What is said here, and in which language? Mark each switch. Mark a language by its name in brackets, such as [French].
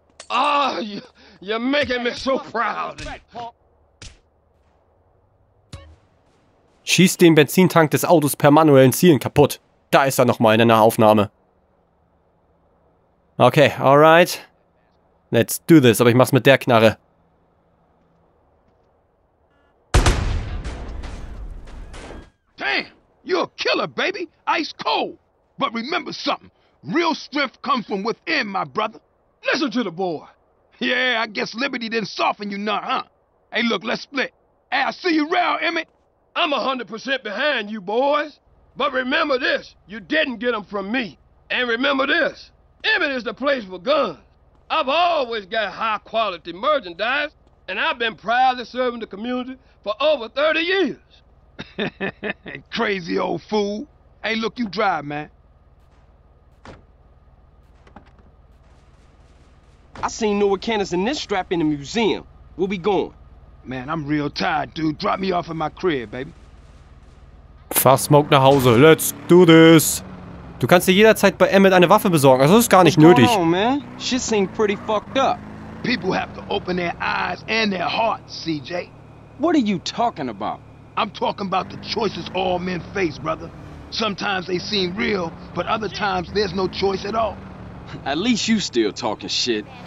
[English] Ah, oh, you're making me so proud. [German] Schießt den Benzintank des Autos per manuellen Zielen kaputt. Da ist er nochmal in einer Aufnahme. [English] Okay, alright. Let's do this, [German] aber ich mach's mit der Knarre. [English] Damn, you're a killer, baby. Ice cold. But remember something. Real strength comes from within, my brother. Listen to the boy. Yeah, I guess liberty didn't soften you none, huh? Hey, look, let's split. Hey, I see you around, Emmett. I'm 100% behind you, boys. But remember this. You didn't get them from me. And remember this. Emmett is the place for guns. I've always got high-quality merchandise, and I've been proudly serving the community for over 30 years. Crazy old fool. Hey, look, you drive, man. I seen newer cannons in this strap in the museum. Where we going? Man, I'm real tired, dude. Drop me off at my crib, baby. [German] Fahr Smoke nach Hause. [English] Let's do this. [German] Du kannst dir jederzeit bei Emmett eine Waffe besorgen, also das ist gar nicht nötig. [English] What's going on, man? Shit seems pretty fucked up. People have to open their eyes and their hearts, CJ. What are you talking about? I'm talking about the choices all men face, brother. Sometimes they seem real, but other times there's no choice at all. At least you still talking shit.